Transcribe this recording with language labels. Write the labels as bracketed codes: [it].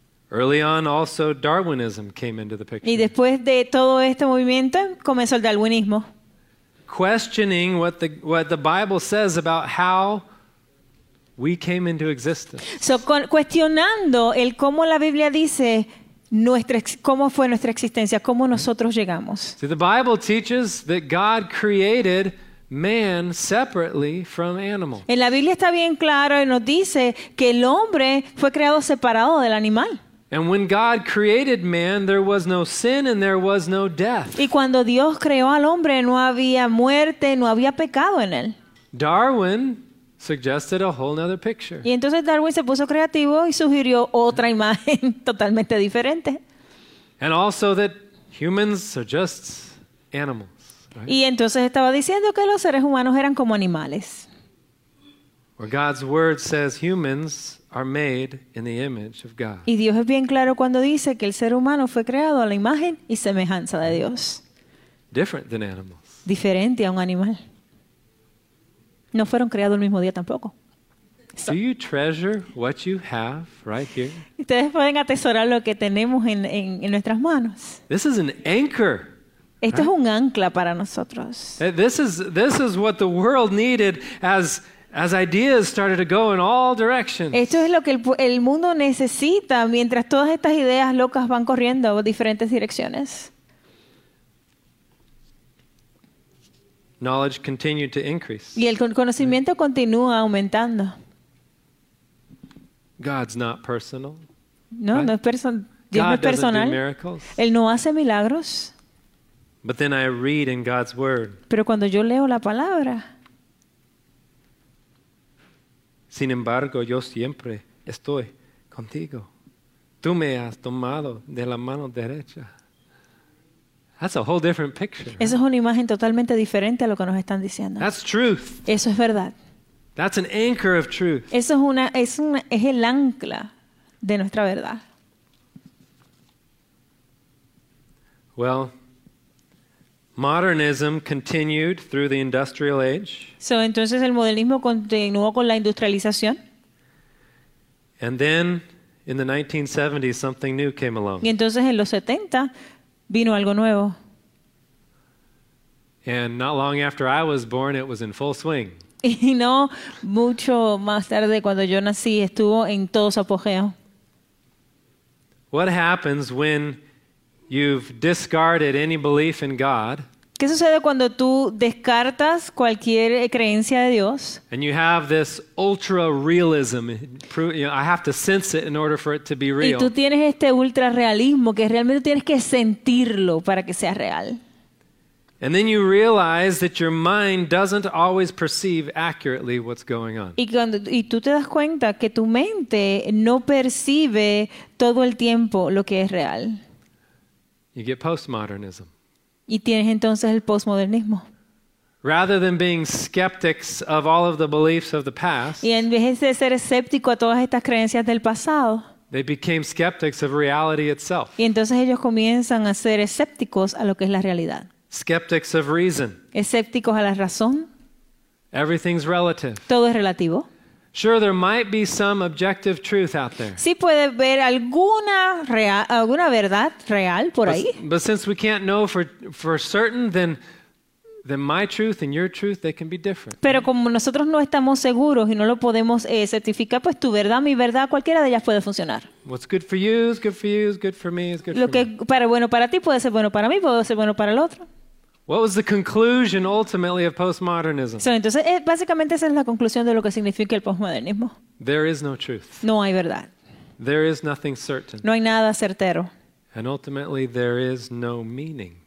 [en] Early on, also Darwinism came into the picture. [es] Y después de todo este movimiento comenzó el darwinismo. [en] Questioning what the Bible says about how we came into existence. [es] So cuestionando el cómo la Biblia dice cómo fue nuestra existencia, cómo nosotros llegamos. [en] See, the Bible teaches that God created man separately from animal. [es] En la Biblia está bien claro y nos dice que el hombre fue creado separado del animal. [en] And when God created man, there was no sin and there was no death. [es] Y cuando Dios creó al hombre, no había muerte, no había pecado en él. [en] Darwin suggested a whole other picture. [es] Y entonces Darwin se puso creativo y sugirió otra imagen totalmente diferente. [en] And also that humans are just animals, right? [es] Y entonces estaba diciendo que los seres humanos eran como animales. [en] Where God's word says humans are made in the image of God. [es] Y Dios es bien claro cuando dice que el ser humano fue creado a la imagen y semejanza de Dios. [en] Different than animals. [es] Diferente a un animal. No fueron creados el mismo día tampoco. [en] Do you treasure what you have right here? [es] Ustedes pueden atesorar lo que tenemos en nuestras manos. [en] This is an anchor. [es] Esto es un ancla para nosotros. [en] This is what the world needed as ideas started to go in all directions. [es] Esto es lo que el mundo necesita mientras todas estas ideas locas van corriendo a diferentes direcciones. [en] Knowledge continued to increase. [es] Y el conocimiento continúa aumentando. [en] God's not personal. [es] No, right? Dios no es personal. [en] God doesn't do miracles. [es] Él no hace milagros. [en] But then I read in God's word. [es] Pero cuando yo leo la palabra. Sin embargo, yo siempre estoy contigo. Tú me has tomado de la mano derecha. [en] That's a whole different picture. Right? [es] Eso es una imagen totalmente diferente a lo que nos están diciendo. [en] That's truth. [es] Eso es verdad. [en] That's an anchor of truth. [es] Eso es el ancla de nuestra verdad. [en] Well, modernism continued through the industrial age. [es] So, entonces el modernismo continuó con la industrialización. [en] And then in the 1970s something new came along. [es] Y entonces en los 70 vino algo nuevo. [en] And not long after I was born it was in full swing. [es] Y no mucho más tarde cuando yo nací estuvo en todo su apogeo. [en] What happens when you've discarded any belief in God? [es] ¿Qué sucede cuando tú descartas cualquier creencia de Dios? [en] And you have this ultra realism. I have to sense it in order for it to be real. [es] Y tú tienes este ultra realismo que realmente tienes que sentirlo para que sea real. [en] And then you realize that your mind doesn't always perceive accurately what's going on. [es] Y tú te das cuenta que tu mente no percibe todo el tiempo lo que es real. [en] You get postmodernism. [es] Y tienes entonces el postmodernismo. [en] Rather than being skeptics of all of the beliefs of the past, [es] y en vez de ser escéptico a todas estas creencias del pasado, [en] they became skeptics of reality itself. [es] Y entonces ellos comienzan a ser escépticos a lo que es la realidad. [en] Skeptics of reason. [es] Escépticos a la razón. [en] Everything's relative. [es] Todo es relativo. [en] Sure, there might be some objective truth out there. [es] Sí puede haber alguna verdad real por ahí. [en] But since we can't know for certain, then my truth and your truth, they can be different. [es] Pero como nosotros no estamos seguros y no lo podemos certificar, pues tu verdad, mi verdad, cualquiera de ellas puede funcionar. [en] What's good for you is good for you, is good for me is good for me. [es] Lo que para bueno para ti puede ser bueno para mí, puede ser bueno para el otro. [en] What was the conclusion ultimately of postmodernism? [es] So, entonces, básicamente esa es la conclusión de lo que significa el postmodernismo. [en] There is no truth. [es] No hay verdad. [en] There is nothing certain. [es] No hay nada certero. [en] And ultimately there is no meaning.